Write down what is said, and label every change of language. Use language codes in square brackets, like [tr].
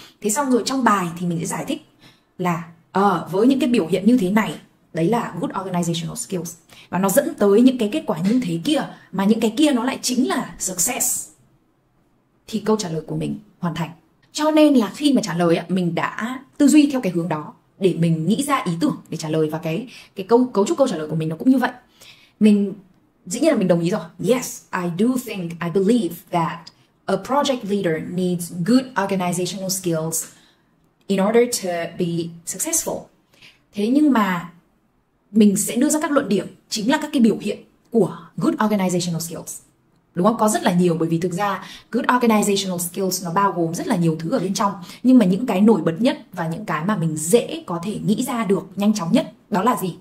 [vi] Thế xong rồi trong bài thì mình sẽ giải thích là với những cái biểu hiện như thế này, đấy là good organizational skills, và nó dẫn tới những cái kết quả như thế kia, mà những cái kia nó lại chính là success. Thì câu trả lời của mình hoàn thành. Cho nên là khi mà trả lời, mình đã tư duy theo cái hướng đó để mình nghĩ ra ý tưởng để trả lời, và cái câu cấu trúc câu trả lời của mình nó cũng như vậy. Mình dĩ nhiên là mình đồng ý rồi. [en] Yes, I do think, I believe that a project leader needs good organizational skills in order to be successful. [vi] Thế nhưng mà mình sẽ đưa ra các luận điểm chính là các cái biểu hiện của good organizational skills. Đúng không? Có rất là nhiều, bởi vì thực ra good organizational skills nó bao gồm rất là nhiều thứ ở bên trong. Nhưng mà những cái nổi bật nhất và những cái mà mình dễ có thể nghĩ ra được nhanh chóng nhất đó là gì?